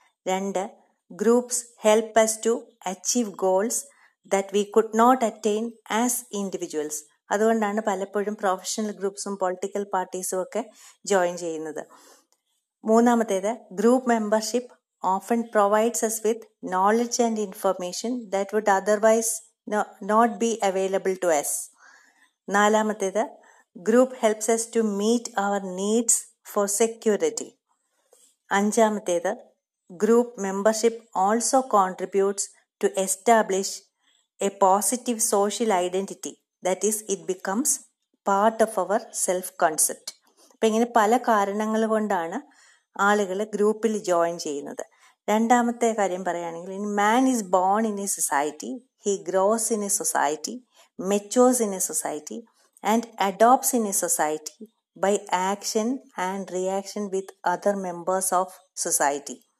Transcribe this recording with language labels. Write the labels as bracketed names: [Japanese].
[Malayalam] രണ്ട്, [English] Groups help us to achieve goals that we could not attain as individuals. [Malayalam] അതുകൊണ്ടാണ് പലപ്പോഴും professional ഗ്രൂപ്പ്സും political പാർട്ടീസും ഒക്കെ join ചെയ്യുന്നത്. മൂന്നാമത്തേത്, [English] Group membership often provides us with knowledge and information that would otherwise not be available to us. [Malayalam] Nalamathida, [English] group helps us to meet our needs for security. [Malayalam] Anjamathida, [English] group membership also contributes to establish a positive social identity, that is, it becomes part of our self concept. [Malayalam] Appa ingane pala karanangal kondana aalukale groupil join cheyunnathu. രണ്ടാമത്തെ കാര്യം പറയുകയാണെങ്കിൽ, [English] In man is born in a society, he grows in a society, matures in a society and adopts in a society by action and reaction with other members of society.